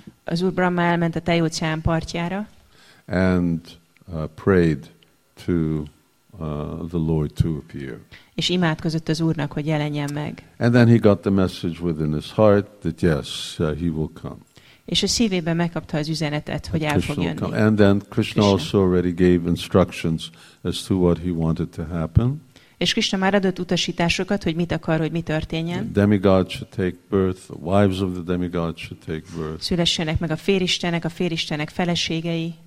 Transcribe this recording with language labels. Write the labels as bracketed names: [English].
[Hungarian] Az Úr Brahma elment a tejóceán partjára. [English] And prayed to the Lord to appear. [Hungarian] És imádkozott az Úrnak, hogy jelenjen meg. [English] And then he got the message within his heart that yes, he will come. [Hungarian] És a szívében megkapta az üzenetet, hogy el fog jönni. [English] And then Krishna also already gave instructions as to what he wanted to happen. [Hungarian] És Krishna már adott utasításokat, hogy mit akar, hogy mi történjen. [English] The demigods should take birth, the wives of the demigods should take birth. [Hungarian] Szülessenek meg a féristenek feleségei.